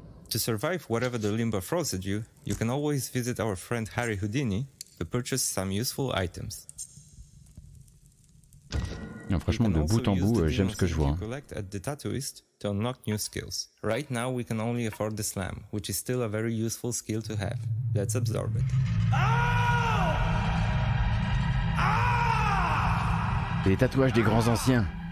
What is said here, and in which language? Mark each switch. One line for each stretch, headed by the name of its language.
English: To survive whatever the limbo throws at you, you can always visit our friend Harry Houdini to purchase some useful items.
French: Non, franchement, de bout en bout, j'aime ce que je vois.
English: Collect at the tattooist to unlock new skills. Right now, we can only afford the slam, which is still a very useful skill to have. Let's absorb it. Ah! Ah!
French: Les tatouages des grands anciens.